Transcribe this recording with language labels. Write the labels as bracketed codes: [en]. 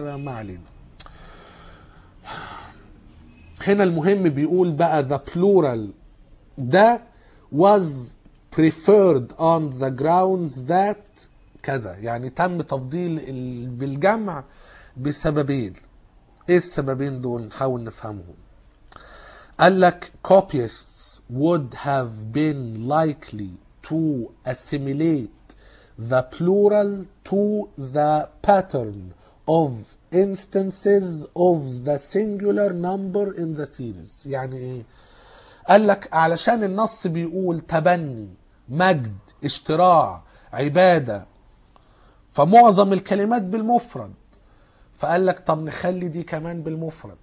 [ar] ما علينا، هنا المهم بيقول بقى [en] the plural [ar] ده [en] was preferred on the grounds that [ar] كذا، يعني تم تفضيل بالجمع بسببين. ايه السببين دول؟ نحاول نفهمهم. قال لك [en] copyists would have been likely to assimilate the plural to the pattern of instances of the singular number in the series. [ar] يعني ايه؟ قال لك علشان النص بيقول تبني، مجد، اشتراع، عبادة، فمعظم الكلمات بالمفرد، فقال لك طب نخلي دي كمان بالمفرد.